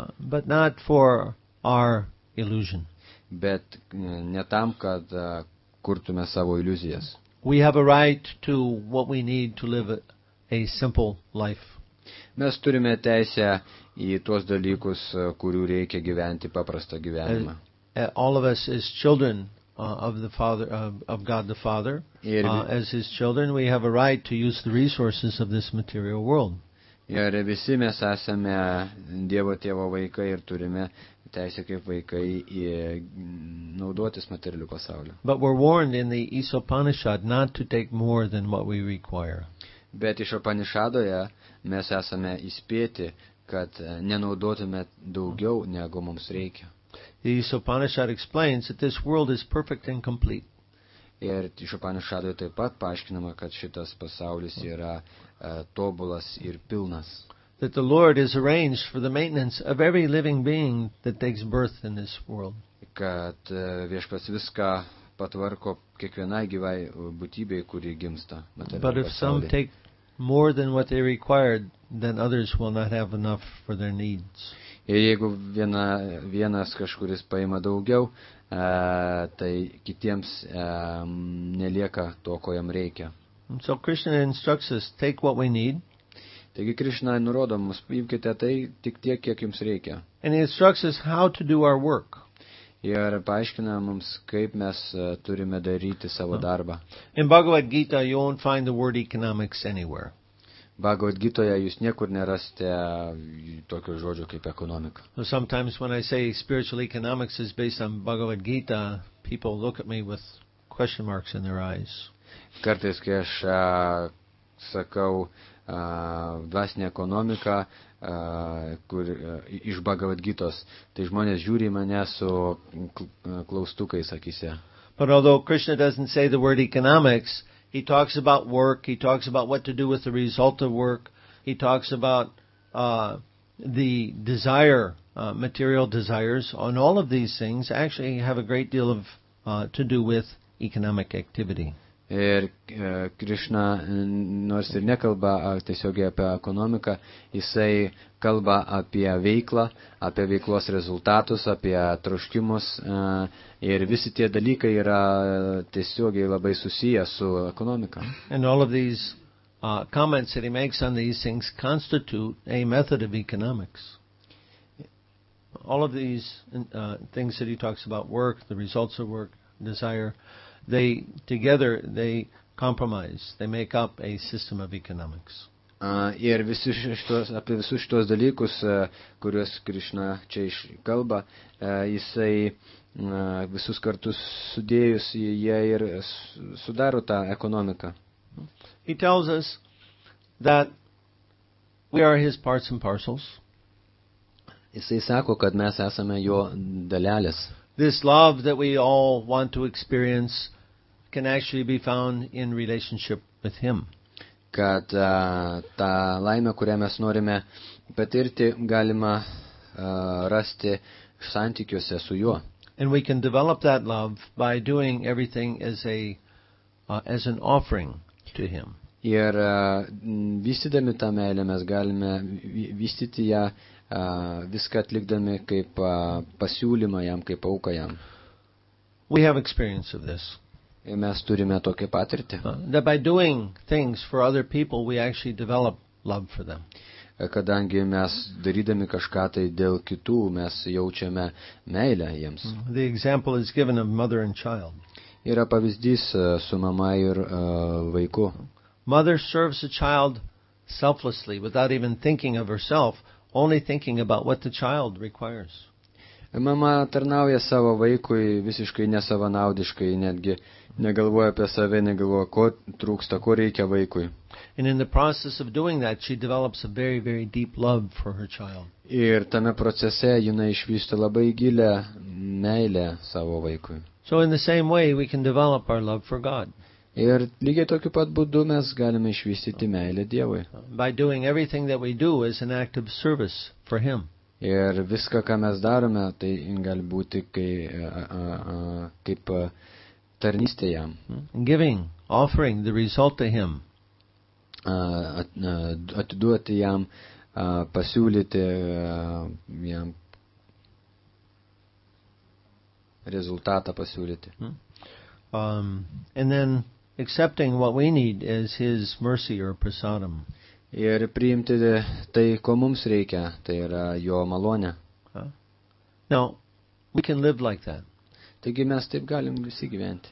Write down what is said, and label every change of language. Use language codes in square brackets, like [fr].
[en] But not for our illusion. [lt] Bet ne tam, kad kurtume savo iliuzijas. [en] We have a right to what we need to live a simple life. [lt] Mes turime teisę į tuos dalykus, kurių reikia gyventi paprastą gyvenimą. [en] All of us as children of the Father, of God the Father, as his children, we have a right to use the resources of this material world. [lt] Ir visi mes esame Dievo Tėvo vaikai ir turime teisę kaip vaikai naudotis materialiu pasauliu. [en] But we're warned in the Isopanishad not to take more than what we require. [lt] Bet iš Upanišadoje mes esame įspėti, kad nenaudotume daugiau, negu mums reikia. [en] The Isopanishad explains that this world is perfect and complete. [lt] Ir iš Upanišadoje taip pat paaiškinama, kad šitas pasaulis yra tobulas ir pilnas. [en] That the Lord has arranged for the maintenance of every living being that takes birth in this world. [lt] Kad viešpats viską patvarko kiekvienai gyvai būtybei, kuri gimsta. [en] But if some take more than what they required, then others will not have enough for their needs. [lt] Ir jeigu vienas kažkuris paima daugiau, tai kitiems nelieka to, ko jam reikia. [en] So Krishna instructs us, take what we need. [lt] Taigi Krishna nurodo mums, imkite tai tik tiek, kiek jums reikia. [en] And he instructs us how to do our work. [lt] Ir paaiškina mums, kaip mes turime daryti savo darbą. [en] In Bhagavad Gita, you won't find the word economics anywhere. [lt] Bhagavad Gitoje jūs niekur nerasite tokio žodžio kaip ekonomika. [en] So sometimes when I say spiritual economics is based on Bhagavad Gita, people look at me with question marks in their eyes. [lt] Kartais, kai aš sakau dvasinė ekonomika kur iš Bhagavad Gitos, tai žmonės žiūri mane su klaustukai sakysia. [en] But although Krishna doesn't say the word economics, he talks about work, he talks about what to do with the result of work, he talks about the desire, material desires, on all of these things actually have a great deal of to do with economic activity. [lt] Ir Krishna, nors ir nekalba tiesiogiai apie ekonomiką, jisai kalba apie veiklą, apie veiklos rezultatus, apie troškimus, ir visi tie dalykai yra tiesiogiai labai susiję su ekonomika. [en] And all of these comments that he makes on these things constitute a method of economics. All of these things that he talks about, work, the results of work, desire, they together they compromise, they make up a system of economics. [lt] Ir visi šitos, apie visus šitos dalykus, kuriuos Krishna čia iškalba, jisai visus kartus sudėjus, jie ir sudaro tą ekonomiką. [en] He tells us that we are his parts and parcels. [lt] Jisai sako, kad mes esame jo dalelės. [en] This love that we all want to experience can actually be found in relationship with him. [lt] Kad ta laimė, kurią mes norime patirti, galima rasti santykiuose su juo. [en] And we can develop that love by doing everything as a as an offering to him. [lt] Ir vystydami tą meilę, mes galime vystyti ją viską atlikdami kaip pasiūlymą jam, kaip auką jam. [en] We have experience of this. [lt] Ir mes turime tokią patirtį. [en] That by doing things for other people, we actually develop love for them. [lt] Kadangi mes darydami kažką tai dėl kitų, mes jaučiame meilę jiems. [en] The example is given of mother and child. [lt] Yra pavyzdys su mama ir vaiku. [en] Mother serves a child selflessly, without even thinking of herself, only thinking about what the child requires. [lt] Mama tarnauja savo vaikui visiškai nesavanaudiškai, netgi negalvoja apie save, negalvoja, ko trūksta, ko reikia vaikui. [en] And in the process of doing that, she develops a very, very deep love for her child. [lt] Ir tame procese jinai išvysto labai gilę meilę savo vaikui. [en] So in the same way, we can develop our love for God. [lt] Ir lygiai tokiu pat būdu mes galime išvystyti meilę Dievui. [en] By doing everything that we do is an act of service for Him. [lt] Ir viską, ką mes darome, tai gali būti kaip tarnystė jam. [en] Giving, offering the result to him. [lt] Atiduoti jam, pasiūlyti jam rezultatą pasiūlyti. [en] And then accepting what we need is his mercy or prasadam. [lt] Ir priimti tai, ko mums reikia, tai yra jo malonė. [en] Now, we can live like that. [lt] Taigi mes taip galim visi gyventi.